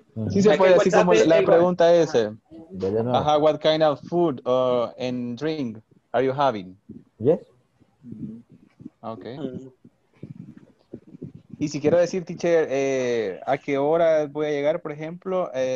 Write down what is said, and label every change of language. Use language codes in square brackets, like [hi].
[es] Sí, se puede, así como la pregunta es. [en] Ajá, what kind of food and drink are you having? Yes. Okay. [es] Y si quiero decir, teacher, ¿a qué hora voy a llegar, por ejemplo?